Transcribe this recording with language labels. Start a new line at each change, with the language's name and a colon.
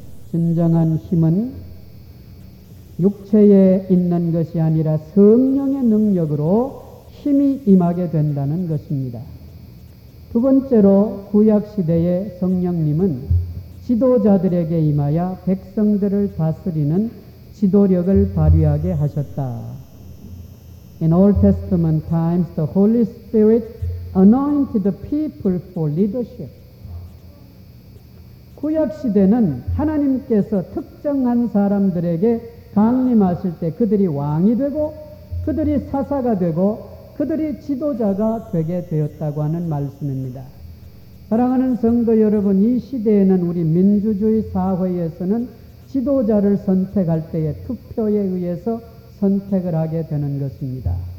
Korean: 진정한 힘은 육체에 있는 것이 아니라 성령의 능력으로 힘이 임하게 된다는 것입니다. 두 번째로 구약시대의 성령님은 지도자들에게 임하여 백성들을 다스리는 지도력을 발휘하게 하셨다.
English: In Old Testament times, the Holy Spirit anointed the people for leadership.
Korean: 구약시대는 하나님께서 특정한 사람들에게 강림하실 때 그들이 왕이 되고 그들이 사사가 되고 그들이 지도자가 되게 되었다고 하는 말씀입니다. 사랑하는 성도 여러분, 이 시대에는 우리 민주주의 사회에서는 지도자를 선택할 때에 투표에 의해서 선택을 하게 되는 것입니다.